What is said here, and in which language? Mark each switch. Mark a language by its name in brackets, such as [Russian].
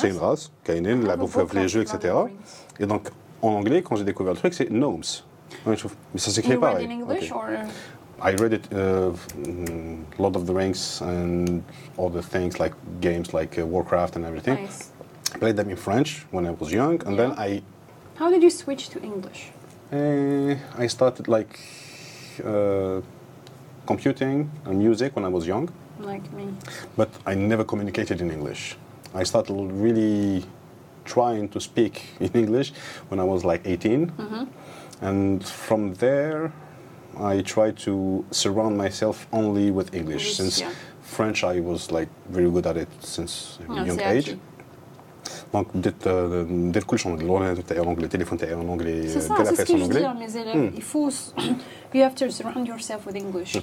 [French] C'est une race, Kainin, la bouffe, les jeux, etc. Et donc, en anglais, quand j'ai découvert le truc, c'est gnomes. Ouais, mais ça s'écrit pareil. [English] You read it in English, Or? I read it, Lord of the Rings, and other things, like games, like Warcraft and everything. Nice. I played them in French when I was young, and then I... How did you switch to English? I started, like, computing and music when I was young. Like me. But I never communicated in English. I started really trying to speak in English when I was, like, 18. Mm-hmm. And from there, I tried to surround myself only with English. Since French, I was, like, very good at it since young age. Actually. [French] Donc, dès le coup, l'anglais, le téléphone est en anglais, de la presse en anglais. C'est ça, c'est ce que je Il faut, [English] you have to surround yourself with English.